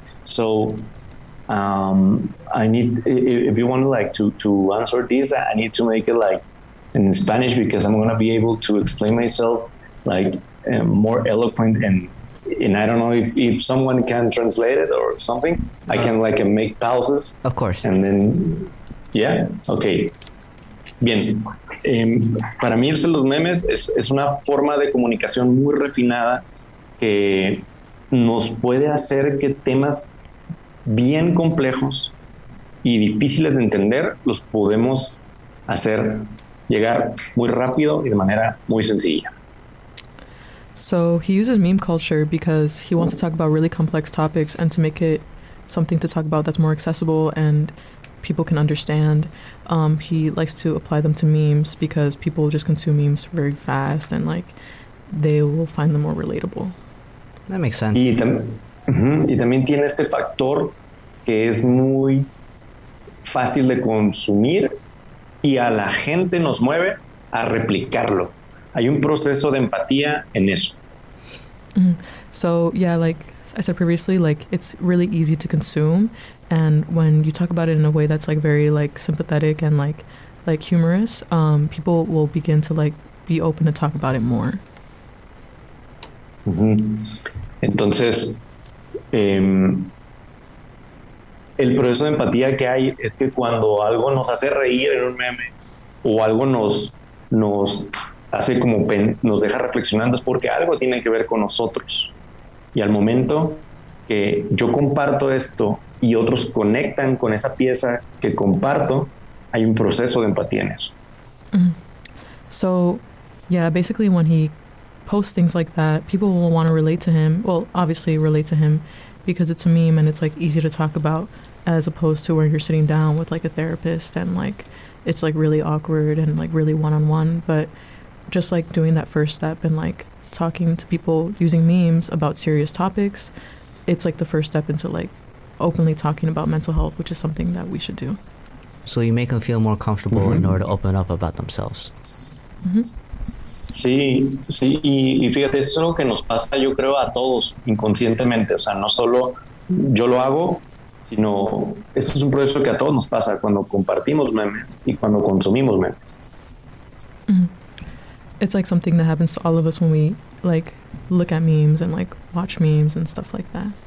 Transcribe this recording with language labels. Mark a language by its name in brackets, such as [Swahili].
[English] So I need, if you want like to answer this, I need to make it like in Spanish, because I'm gonna be able to explain myself like more eloquent, and I don't know if someone can translate it or something. I can like make pauses. Of course. And then, yeah, okay. [Spanish] Bien, para mí es los memes es una forma de comunicación muy refinada que nos puede hacer que temas bien complejos y difíciles de entender, los podemos hacer llegar muy rápido y de manera muy sencilla. [English] So he uses meme culture because he wants to talk about really complex topics and to make it something to talk about that's more accessible and people can understand. He likes to apply them to memes because people just consume memes very fast and like they will find them more relatable. That makes sense. [Spanish] Y también tiene este factor que es muy fácil de consumir y a la gente nos mueve a replicarlo. Hay un proceso de empatía en eso. Mm-hmm. [English] So yeah, like I said previously, like it's really easy to consume, and when you talk about it in a way that's like very like sympathetic and like humorous, people will begin to like be open to talk about it more. Mm-hmm. [Spanish] Entonces, el proceso de empatía que hay es que cuando algo nos hace reír en un meme o algo nos hace como nos deja reflexionando es porque algo tiene que ver con nosotros. Y al momento que yo comparto esto y otros conectan con esa pieza que comparto, hay un proceso de empatía en eso. Mm-hmm. [English] So, yeah, basically when he posts things like that, people will want to relate to him. Well, obviously relate to him because it's a meme and it's like easy to talk about as opposed to where you're sitting down with like a therapist and like it's like really awkward and like really one-on-one. But just like doing that first step and like talking to people using memes about serious topics, it's like the first step into like openly talking about mental health, which is something that we should do. So you make them feel more comfortable, mm-hmm, in order to open up about themselves. Mm-hmm. [Spanish] Sí, sí, y fíjate, eso es algo que nos pasa, yo creo, a todos inconscientemente. O sea, no solo yo lo hago, sino eso es un proceso que a todos nos pasa cuando compartimos memes y cuando consumimos memes. Mm-hmm. [English] It's like something that happens to all of us when we like look at memes and like watch memes and stuff like that.